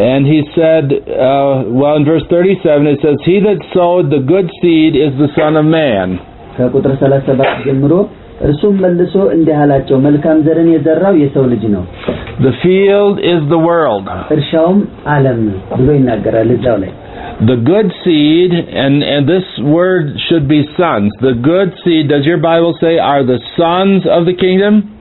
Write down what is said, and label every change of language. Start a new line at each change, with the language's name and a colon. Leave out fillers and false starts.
English: And he said well in verse 37 it says he that sowed the good seed is the son of man
Amharic: ከቁጥር 37 ጀምሮ እርሱም መልሶ እንደሃላቸው መልካም ዘርን የዘራው የሰው ልጅ ነው
English: The field is the world.
Amharic: እርሻውም ዓለም ብሎ ይናገራል እዛው ላይ.
English: The good seed and this word should be sons. The good seed does your Bible say are the sons of the kingdom?